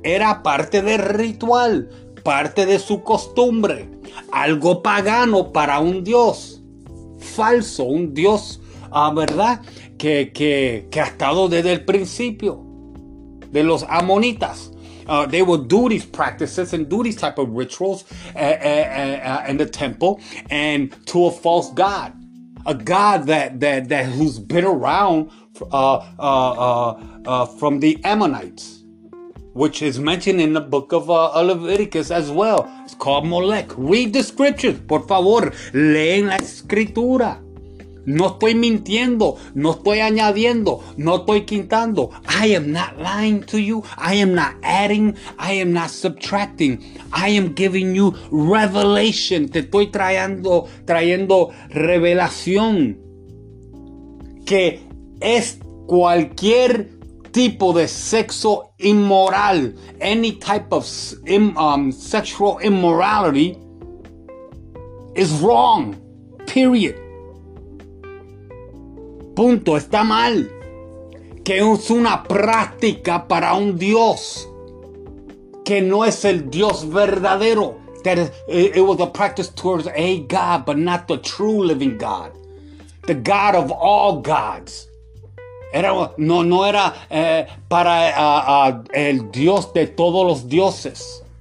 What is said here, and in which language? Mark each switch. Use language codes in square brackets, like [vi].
[es] Era parte del ritual, parte de su costumbre. Algo pagano para un dios falso, un dios, ¿verdad? Que ha estado desde el principio de los amonitas. [en] They would do these practices and do these type of rituals in the temple and to a false god. A god that who's been around from the Ammonites, which is mentioned in the book of Leviticus as well. It's called Molech. Read the scriptures, [es] por favor. Leen la escritura. No estoy mintiendo, no estoy añadiendo, no estoy quitando. [en] I am not lying to you. I am not adding. I am not subtracting. I am giving you revelation. [es] Te estoy trayendo revelación. Que es cualquier tipo de sexo inmoral, [en] any type of sexual immorality is wrong. Period. [es] Punto, está mal. Que es una práctica para un dios que no es el dios verdadero. [en] That is, it was a practice towards a god, but not the true living god, the god of all gods. [es] No era el dios de todos los dioses.